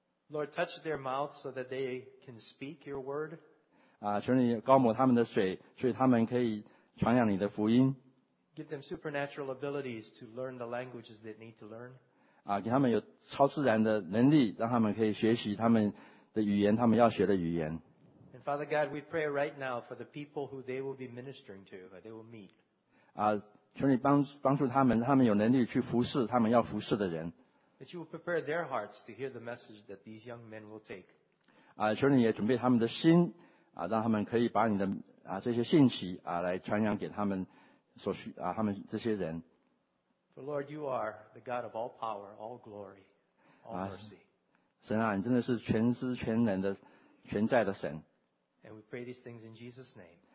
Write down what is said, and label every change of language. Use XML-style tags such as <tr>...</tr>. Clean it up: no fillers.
<en>Lord, touch their mouths so that they can speak your word.</en> <zh>求你膏抹他们的水所以他们可以传扬你的福音</zh> <en>Give them supernatural abilities to learn the languages they need to learn.</en> <zh>给他们有超自然的能力让他们可以学习他们的语言他们要学的语言</zh> <en>And Father God, we pray right now for the people who they will be ministering to, who they will meet.</en> <zh>求你帮助他们他们有能力去服侍他们要服侍的人</zh> <en>That you will prepare their hearts to hear the message that these young men will take.</en> <zh>求你也准备他们的心让他们可以把你的这些信息来传扬给他们所需他们这些人</zh> <en>For Lord, you are the God of all power, all glory, all mercy.</en> <zh>神你真的是全知全能的全在的神</zh> <en>And we pray these things in Jesus' name.</en>